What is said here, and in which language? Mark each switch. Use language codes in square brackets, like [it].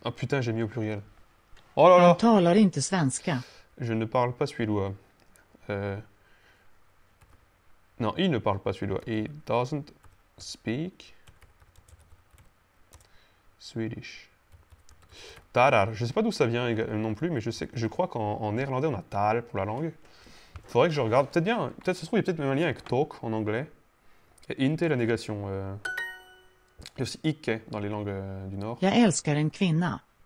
[fr] Oh putain, j'ai mis au pluriel. Oh là Han là! [sv] talar inte svenska. [fr] Je ne parle pas suédois. Non, il ne parle pas suédois. [en] He doesn't speak Swedish. [fr] Tarar, je sais pas d'où ça vient non plus, mais je crois qu'en néerlandais on a tal pour la langue. Faudrait que je regarde. Peut-être bien, peut-être se trouve, il y a peut-être même un lien avec talk en anglais. Et inte, la négation. Il y a aussi icke dans les langues du nord. [sv] Jag älskar en kvinna.